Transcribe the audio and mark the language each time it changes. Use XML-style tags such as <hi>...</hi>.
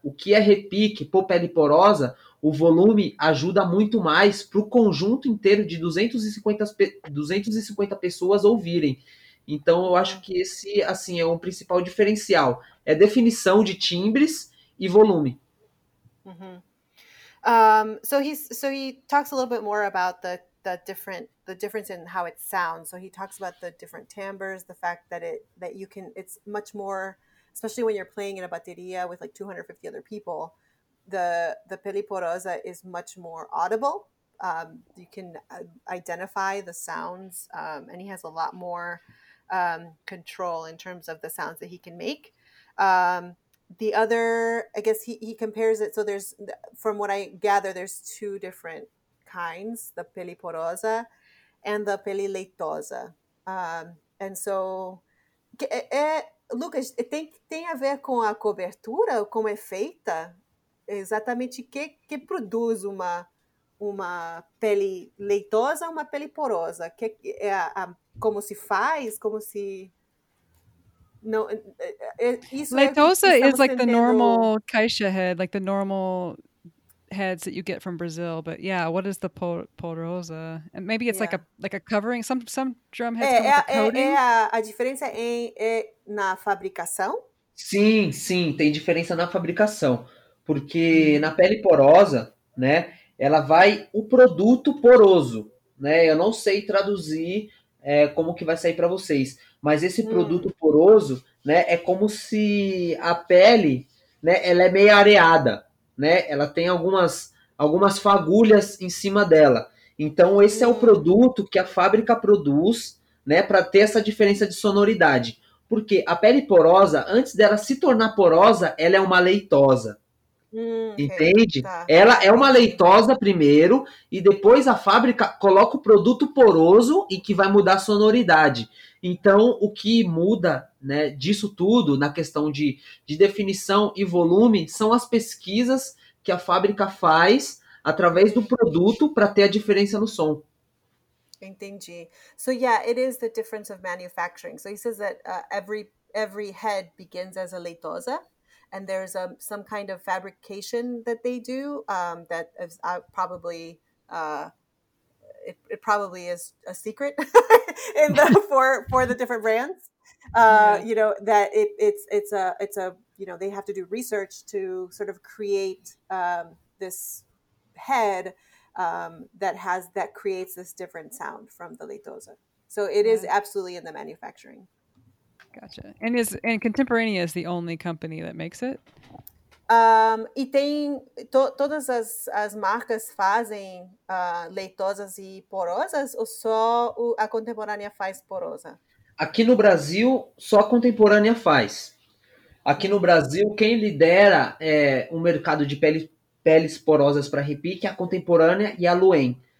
<pt>O que é repique, pô, pele porosa, o volume ajuda muito mais para o conjunto inteiro de 250 pessoas ouvirem. Então, eu acho que esse, assim, é um principal diferencial. É definição de timbres e volume. Uhum.</pt> <en>So he talks a little bit more about the difference in how it sounds. So he talks about the different timbres, the fact that it's much more, especially when you're playing in a bateria with like 250 other people, the peli porosa is much more audible. You can identify the sounds, and he has a lot more control in terms of the sounds that he can make. The other, I guess he compares it. So there's, from what I gather, there's two different kinds, the peli porosa and the peli leitosa.</en> <pt>And so, Lucas, tem a ver com a cobertura, como é feita? Exatamente, que produz uma peli leitosa, uma peli porosa? Que é como se faz, como se... No,</pt> <en>leitosa is like the normal caixa head, like the normal heads that you get from Brazil, but yeah, what is the polrosa? And maybe it's like a covering. Some drum heads come with a coating.</en> <pt>A diferença na fabricação. Sim, tem diferença na fabricação, porque na pele porosa, né, ela vai o produto poroso, né? Eu não sei traduzir como que vai sair para vocês, mas esse produto poroso, né, é como se a pele, né, ela é meio areada, né? Ela tem algumas fagulhas em cima dela. Então esse é o produto que a fábrica produz, né, para ter essa diferença de sonoridade. Porque a pele porosa, antes dela se tornar porosa, ela é uma leitosa. Entende? Tá. Ela é uma leitosa primeiro, e depois a fábrica coloca o produto poroso e que vai mudar a sonoridade. Então, o que muda, né, disso tudo, na questão de definição e volume, são as pesquisas que a fábrica faz através do produto para ter a diferença no som. Entendi.</pt> <en>So yeah, it is the difference of manufacturing. So he says that every head begins as a leitosa, and there's some kind of fabrication that they do that is probably is a secret for the different brands. You know that it's they have to do research to sort of create this head. That creates this different sound from the leitosa. So it is absolutely in the manufacturing. Gotcha. And Contemporanea is the only company that makes it?</en> <pt>E tem todas as marcas fazem leitosas e porosas, ou só a Contemporanea faz porosa? Aqui no Brasil, só a Contemporanea faz. Aqui no Brasil, quem lidera o mercado de peles porosas para repique, a Contemporânea e a Luen.</pt>